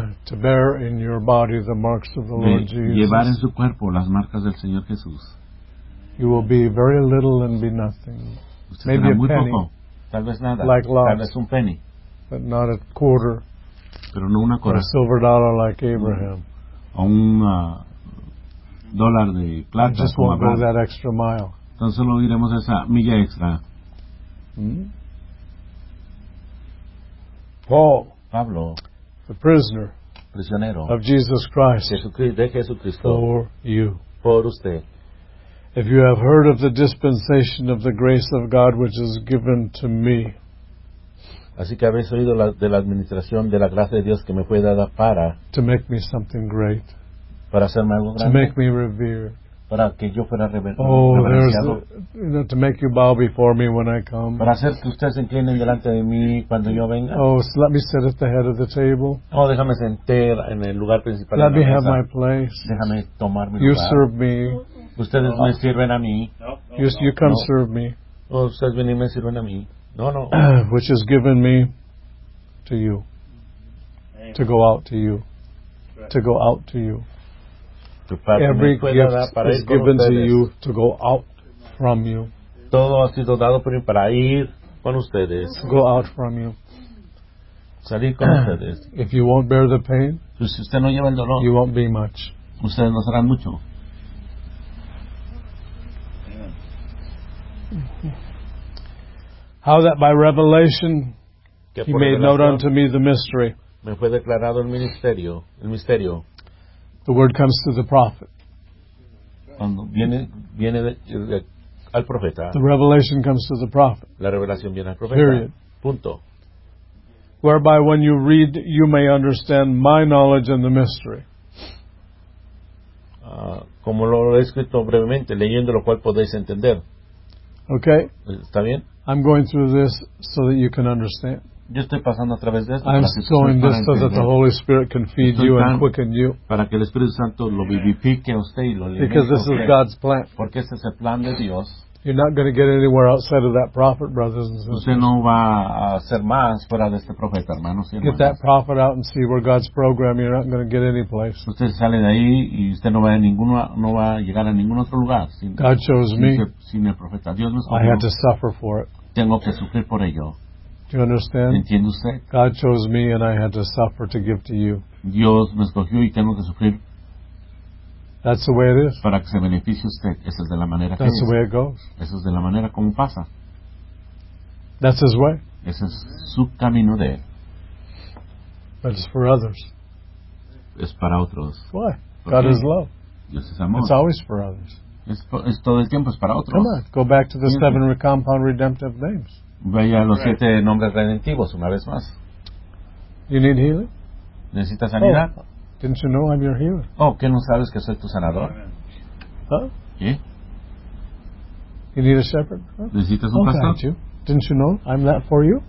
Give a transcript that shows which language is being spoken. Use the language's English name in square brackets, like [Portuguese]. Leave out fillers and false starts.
[English] To bear in your body the marks of the Lord Jesus. [Spanish] Llevar en su cuerpo las marcas del Señor Jesús. [English] You will be very little and be nothing. [Spanish] Usted [English] maybe a penny. [Spanish] Poco. Tal vez nada. [English] Like Lot. [Spanish] Tal vez un penny. [English] But not a quarter. [Spanish] Pero no una cuarta. [English] A silver dollar like Abraham. [Spanish] O un dólar de plata. [English] I just won't go that extra mile. [Spanish] Tan solo iremos esa milla extra. [English] Paul. [Spanish] Pablo. [English] The prisoner. [Spanish] Prisionero. [English] Of Jesus Christ. [Spanish] De Jesucristo. [English] For you. [Spanish] Por usted. [English] If you have heard of the dispensation of the grace of God which is given to me. [Spanish] Así que habéis oído de la administración de la gracia de Dios que me fue dada para. [English] To make me something great. [Spanish] Para hacerme algo grande. [English] To make me revered. [Spanish] Para que yo fuera reverenciado. [English] Oh, to make you bow before me when I come. [Spanish] Para hacer que ustedes se inclinen delante de mí cuando yo venga. [English] Oh, so let me sit at the head of the table. [Spanish] Oh, déjame sentar en el lugar principal. [English] Let me have my place. [Spanish] Déjame tomar mi lugar. [English] You serve me. [Spanish] Ustedes me sirven a mí. [English] You come serve me. [Spanish] Ustedes vienen y me sirven a mí. No, no. [English] Which is given me to you. To go out to you. To go out to you. Every gift is given to you to go out from you. [Spanish] Todo ha sido dado por mí para ir con ustedes. [English] To go out from you. [Spanish] Salir con ustedes. [English] If you won't bear the pain, [Spanish] pues si usted no lleva el dolor, [English] you won't be much. [Spanish] Ustedes no serán mucho. [English] How that by revelation he made known unto me the mystery. [Spanish] Me fue declarado el misterio. [English] The word comes to the prophet. [Spanish] Cuando viene al profeta. [English] The revelation comes to the prophet. [Spanish] La revelación viene al profeta. [English] Period. [Spanish] Punto. [English] Whereby when you read you may understand my knowledge and the mystery. [Spanish] Como lo he escrito brevemente, leyendo lo cual podéis entender. [English] Okay. [Spanish] ¿Está bien? [English] I'm going through this so that you can understand. [Spanish] Yo estoy pasando a través de esto. [English] I'm sowing this so that the Holy Spirit can feed you and quicken you. [Spanish] Para que el Espíritu Santo lo vivifique a usted y lo alimente. [English] Because this is God's plan. [Spanish] Porque este es el plan de Dios. [English] You're not going to get anywhere outside of that prophet, brothers and sisters. [Spanish] Usted no va a hacer más fuera de este profeta, hermanos y hermanas. [English] Get that prophet out and see where God's program. You're not going to get any place. [Spanish] Usted sale de ahí y usted no va a llegar a ningún otro lugar. [English] God chose me. [Spanish] Sin el profeta, Dios me escogió. [English] I had to suffer for it. [Spanish] Tengo que sufrir por ello. [English] Do you understand? [Spanish] ¿Entiende usted? [English] God chose me and I had to suffer to give to you. [Spanish] Dios me escogió y tengo que sufrir. [English] That's the way it is. [Spanish] Para que se beneficie usted. Esa es de la manera [English] That's [Spanish] que es. [English] Way it goes. [Spanish] Esa es de la manera como pasa. [English] That's his way. [Spanish] Ese es su camino de él. [English] But it's for others. [Spanish] Es para otros. [English] Why? God is love. [Spanish] Dios es amor. [English] It's always for others. [Spanish] Es todo el tiempo es para otros. [English] Come on, go back to the seven compound redemptive names. [Spanish] Vaya a los siete nombres redentivos una vez más. [English] You need healing? [Spanish] ¿Necesitas sanidad? [English] Oh, didn't you know I'm your healer? [Spanish] Oh, ¿qué no sabes que soy tu sanador? Huh? ¿Eh? [English] You need a shepherd? [Spanish] ¿Necesitas un pastor? [English] You. Didn't you know I'm that for you?